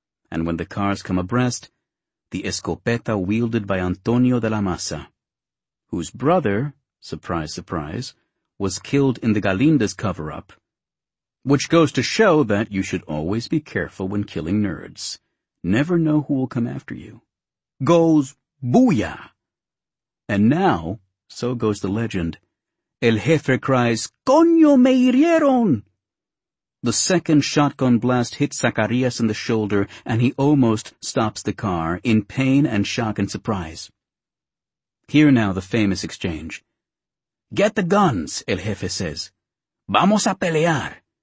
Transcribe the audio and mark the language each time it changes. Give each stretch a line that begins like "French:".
English: And when the cars come abreast, the escopeta wielded by Antonio de la Maza, whose brother, surprise, surprise, was killed in the Galíndez cover-up, which goes to show that you should always be careful when killing nerds. Never know who will come after you. Goes booyah! And now, so goes the legend, El Jefe cries,
Spanish: ¡Coño me hirieron!
English: The second shotgun blast hits Zacarias in the shoulder, and he almost stops the car, in pain and shock and surprise. Hear now the famous exchange. Get the guns, El Jefe says.
Spanish: Vamos a pelear.